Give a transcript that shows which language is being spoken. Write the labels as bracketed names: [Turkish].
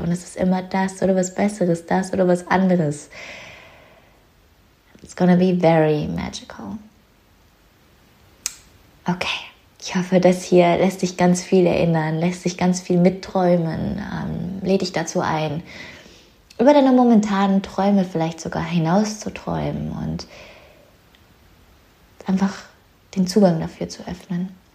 [German] Und es ist immer das oder was Besseres, das oder was anderes. [English] It's gonna be very magical. [German] Okay, ich hoffe, das hier lässt dich ganz viel erinnern, lässt dich ganz viel mitträumen, lädt dich dazu ein, über deine momentanen Träume vielleicht sogar hinaus zu träumen und einfach den Zugang dafür zu öffnen.